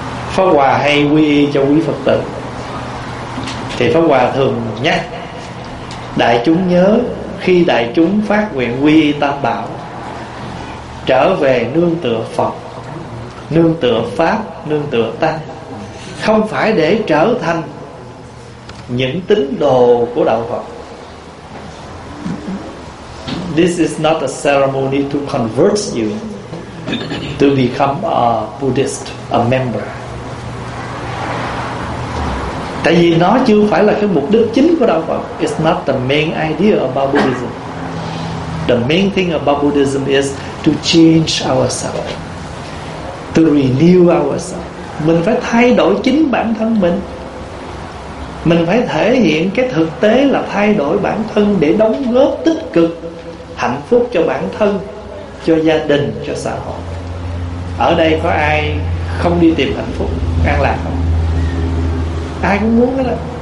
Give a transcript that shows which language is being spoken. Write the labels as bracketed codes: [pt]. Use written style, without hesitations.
[vi] Pháp Hòa hay quy y cho quý Phật tử, thì Pháp Hòa thường nhắc đại chúng nhớ, khi đại chúng phát nguyện quy y Tam Bảo, trở về nương tựa Phật, nương tựa Pháp, nương tựa Tăng, không phải để trở thành những tín đồ của Đạo Phật. [en] This is not a ceremony to convert you to become a Buddhist, a member. [vi] Tại vì nó chưa phải là cái mục đích chính của Đạo Phật. [en] It's not the main idea about Buddhism. The main thing about Buddhism is to change ourselves, to renew ourselves. [vi] Mình phải thay đổi chính bản thân mình. Mình phải thể hiện cái thực tế là thay đổi bản thân để đóng góp tích cực, hạnh phúc cho bản thân, cho gia đình, cho xã hội. Ở đây có ai không đi tìm hạnh phúc, an lạc không? Ai cũng muốn hết á.